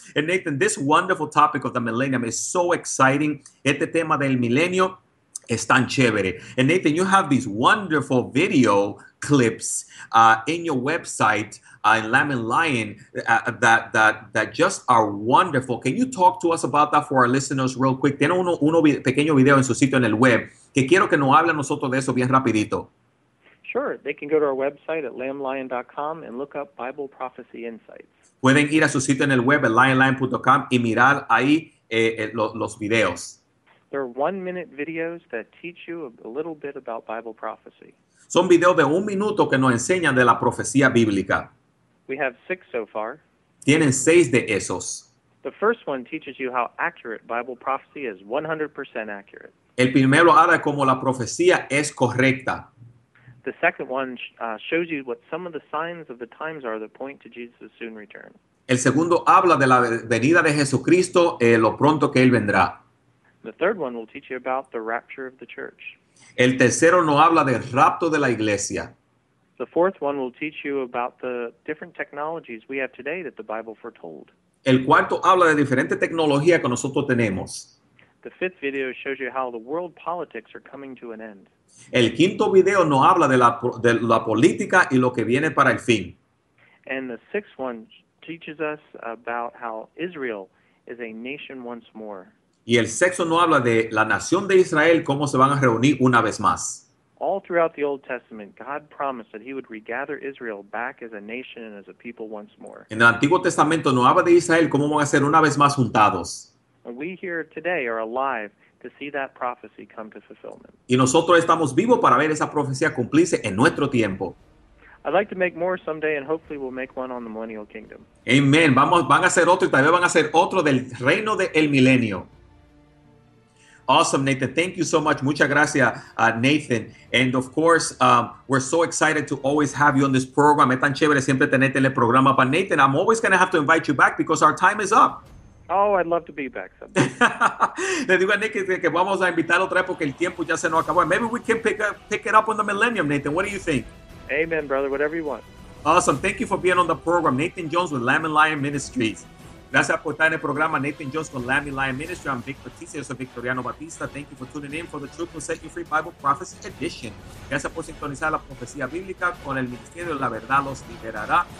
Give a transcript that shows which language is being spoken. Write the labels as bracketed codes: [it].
[en] And Nathan, this wonderful topic of the millennium is so exciting. [es] Este tema del milenio es tan chévere. [en] And Nathan, you have these wonderful video clips in your website in Lamb and Lion that just are wonderful. Can you talk to us about that for our listeners real quick? [es] Tiene uno pequeño video en su sitio en el web que quiero que nos hable nosotros de eso bien rapidito. [en] Sure. They can go to our website at lamblion.com and look up Bible Prophecy Insights. [es] Pueden ir a su sitio en el web at lamblion.com y mirar ahí los videos. [en] They're one-minute videos that teach you a little bit about Bible prophecy. [es] Son videos de un minuto que nos enseñan de la profecía bíblica. [en] We have six so far. [es] Tienen seis de esos. [en] The first one teaches you how accurate Bible prophecy is, 100% accurate. [es] El primero habla como la profecía es correcta. [en] The second one shows you what some of the signs of the times are that point to Jesus' soon return. [es] El segundo habla de la venida de Jesucristo, lo pronto que Él vendrá. [en] The third one will teach you about the rapture of the church. [es] El tercero nos habla del rapto de la iglesia. [en] The fourth one will teach you about the different technologies we have today that the Bible foretold. [es] El cuarto habla de diferentes tecnologías que nosotros tenemos. [en] The fifth video shows you how the world politics are coming to an end. [es] El quinto video nos habla de la política y lo que viene para el fin. [en] And the sixth one teaches us about how Israel is a nation once more. [es] Y el sexto nos habla de la nación de Israel, cómo se van a reunir una vez más. [en] All throughout the Old Testament, God promised that he would regather Israel back as a nation and as a people once more. [es] En el Antiguo Testamento nos habla de Israel, cómo van a ser una vez más juntados. [en] And we here today are alive to see that prophecy come to fulfillment. [es] Y nosotros estamos vivos para ver esa profecía cumplirse en nuestro tiempo. [en] I'd like to make more someday, and hopefully we'll make one on the millennial kingdom. Amen. [es] Van a hacer otro, y también van a hacer otro del reino del milenio. [en] Awesome, Nathan. Thank you so much. [es] Muchas gracias, Nathan. [en] And of course, we're so excited to always have you on this program. [es] Es tan chévere siempre tenerte en el programa. [en] But Nathan, I'm always going to have to invite you back because our time is up. Oh, I'd love to be back someday. [es] Le digo a Nick que vamos a invitar otra vez porque el tiempo ya se nos acabó. [en] Maybe we can pick it up on the millennium, Nathan. What do you think? Amen, brother. Whatever you want. Awesome. Thank you for being on the program. Nathan Jones with Lamb and Lion Ministries. [es] Gracias por estar en el programa. Nathan Jones con Lamb and Lion Ministry. [en] I'm Vic Patricio. [es] Yo soy Victoriano Batista. [en] Thank you for tuning in for the Truth Will Set You Free Bible Prophecy Edition. [es] Gracias por sintonizar la profecía bíblica con el ministerio La Verdad Los Liberará.